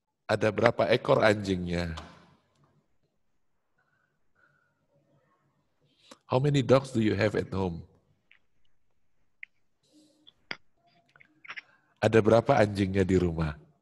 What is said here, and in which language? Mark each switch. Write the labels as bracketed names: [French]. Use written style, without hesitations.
[Indonesian] Ada berapa ekor anjingnya? [English] How many dogs do you have at home? [Indonesian] Ada berapa anjingnya di rumah?